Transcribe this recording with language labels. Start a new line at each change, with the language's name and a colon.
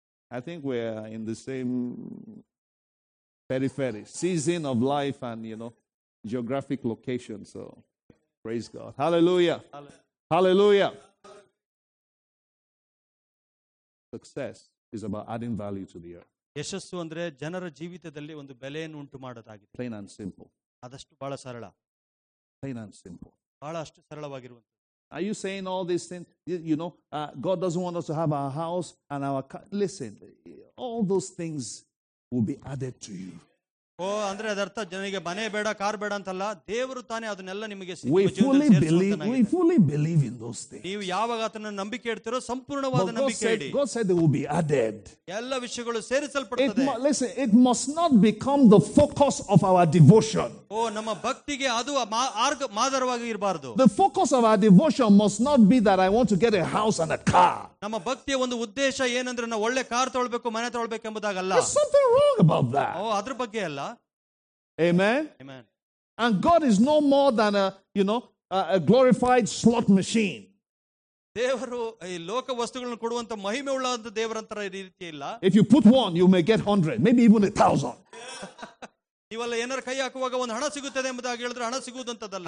English: I think we're in the same periphery, season of life and, you know, geographic location. So, praise God. Hallelujah. Hallelujah. Success is about adding value to the earth.
Kannada: ಯಶಸ್ಸು ಅಂದ್ರೆ ಜನರ ಜೀವಿತದಲ್ಲಿ ಒಂದು ಬೆಲೆಯನ್ನು ಉಂಟು ಮಾಡೋದಾಗಿದೆ.
English: Plain and simple.
Kannada: ಅದಷ್ಟು ಬಹಳ ಸರಳ.
English: Plain and simple.
Kannada: ಬಹಳ ಅಷ್ಟು ಸರಳವಾಗಿರುವಂತ.
English: Are you saying all these things? You know, God doesn't want us to have our house and our car. Listen, all those things will be added to you. We fully believe in those things. But God said they will be added. It must not become the focus of our devotion. The focus of our devotion must not be that I want to get a house and a car.
Kannada: ನಮ್ಮ ಭಕ್ತಿಯ ಒಂದು ಉದ್ದೇಶ ಏನಂದ್ರೆ ನಾವು ಒಳ್ಳೆ car ತೊಳ್ಬೇಕು ಮನೆ ತೊಳ್ಬೇಕು ಎಂಬುದಾಗಲ್ಲ.
English: Something wrong about that.
Kannada: ಓ ಅದ್ರ ಬಗ್ಗೆ ಅಲ್ಲ.
English: Amen. Amen. And God is no more than a glorified slot machine.
Kannada: ದೇವರು ಈ ಲೋಕ ವಸ್ತುಗಳನ್ನು ಕೊಡುವಂತ ಮಹಿಮೆ ಉಳ್ಳಂತ ದೇವರಂತರ ರೀತಿ ಇಲ್ಲ.
English: If you put one, you may get 100, maybe even 1,000.
Kannada: ಇವೆಲ್ಲ ಏನಾರು ಕೈ ಹಾಕುವಾಗ ಒಂದು ಹಣ ಸಿಗುತ್ತದೆ ಎಂಬುದಾಗಿ ಹೇಳಿದ್ರೆ ಹಣ ಸಿಗುವುದಂತದಲ್ಲ.